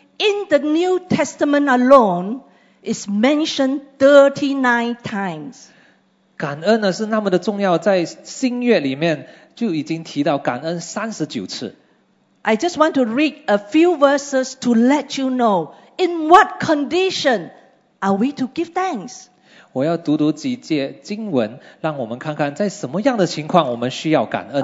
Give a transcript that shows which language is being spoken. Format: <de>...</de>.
<en>In the New Testament alone, it's mentioned 39 times.</en> <zh>感恩呢是那么的重要，在新约里面就已经提到感恩39次。</zh> <en>I just want to read a few verses to let you know in what condition are we to give thanks.</en> <zh>我要读读几节经文，让我们看看在什么样的情况我们需要感恩。</zh>